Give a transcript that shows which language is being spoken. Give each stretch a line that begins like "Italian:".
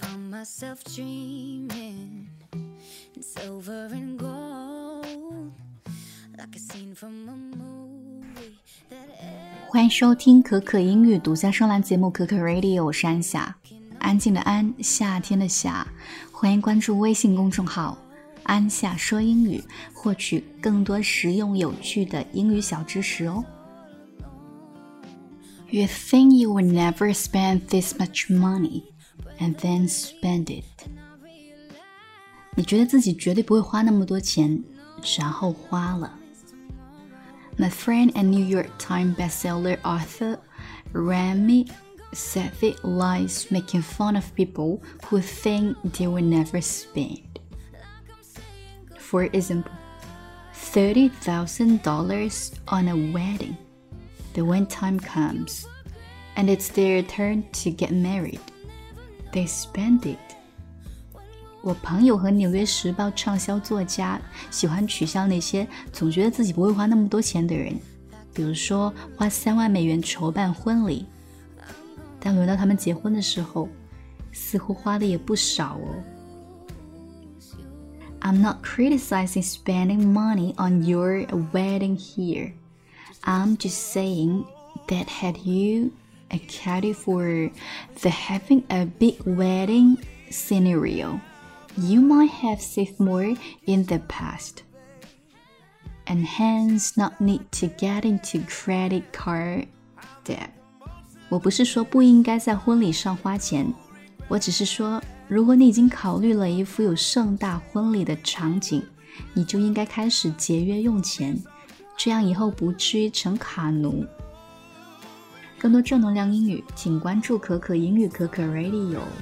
English: myself dreaming in silver and gold, like a scene from a movie that ever.
Chinese: 欢迎收听可可英语独家声浪节目可可 Radio， 我是安夏，安静的安，夏天的夏。欢迎关注微信公众号安夏说英语，获取更多实用有趣的英语小知识哦。
English: You think you would never spend this much money and then spend it.
Chinese: 你觉得自己绝对不会花那么多钱，然后花了。
English: My friend and New York Times bestseller author Rami Sethi likes making fun of people who think they would never spend. For example, $30,000 on a wedding. But when time comesAnd it's their turn to get married. They spend it.
Chinese: 我朋友和纽约时报畅销作家喜欢取笑那些总觉得自己不会花那么多钱的人，比如说花$30,000筹办婚礼，但轮到他们结婚的时候，似乎花的也不少哦。
English: I'm not criticizing spending money on your wedding here. I'm just saying that had youaccounted for the having a big wedding scenario, you might have saved more in the past, and hence not need to get into credit card debt.
Chinese: 我不是说不应该在婚礼上花钱，我只是说，如果你已经考虑了一副有盛大婚礼的场景，你就应该开始节约用钱，这样以后不至于成卡奴。更多正能量英语请关注可可英语可可 Radio。